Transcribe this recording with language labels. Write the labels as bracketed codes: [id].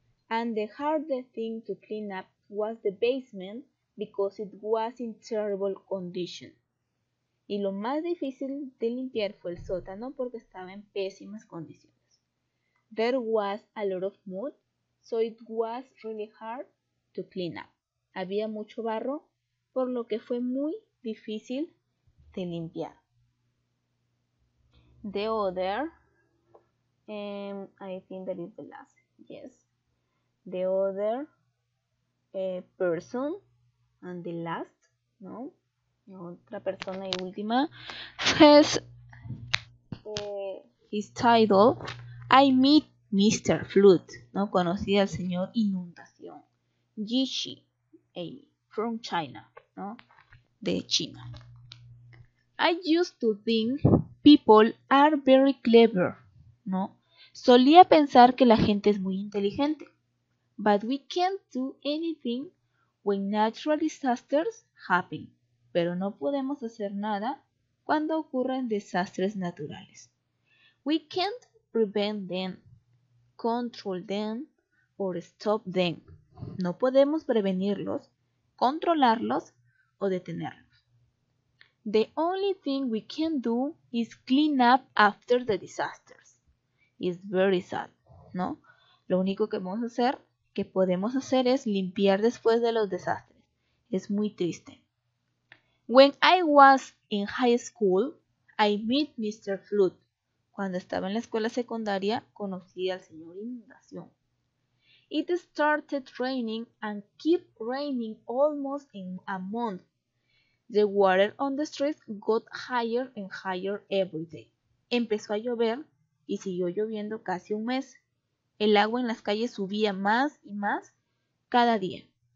[en] And the hardest thing to clean up was the basement because it was in terrible condition. [es] Y lo más difícil de limpiar fue el sótano porque estaba en pésimas condiciones. [en] There was a lot of mud, so it was really hard to clean up. [es] Había mucho barro, por lo que fue muy difícil de limpiar. [en] The other, I think that is the last, yes. The other person, and the last, [es] ¿no? Otra persona y última. [en] Says, his title, I meet Mr. Flood, [es] ¿no? Conocí al señor Inundación. Yishi, [en] from China, [es] ¿no? De China. [en] I used to think people are very clever, [es] ¿no? Solía pensar que la gente es muy inteligente. [en] But we can't do anything when natural disasters happen. [es] Pero no podemos hacer nada cuando ocurren desastres naturales. [en] We can't prevent them, control them, or stop them. [es] No podemos prevenirlos, controlarlos, o detenerlos. [en] The only thing we can do is clean up after the disasters. It's very sad, [es] ¿no? Lo único que vamos a hacer, que podemos hacer, es limpiar después de los desastres. Es muy triste. [en] When I was in high school, I met Mr. Flood. [es] Cuando estaba en la escuela secundaria, conocí al señor Inundación. [en] It started raining and kept raining almost in a month. The water on the street got higher and higher every day. [es] Empezó a llover y siguió lloviendo casi un mes. El agua en las calles subía más y más cada día.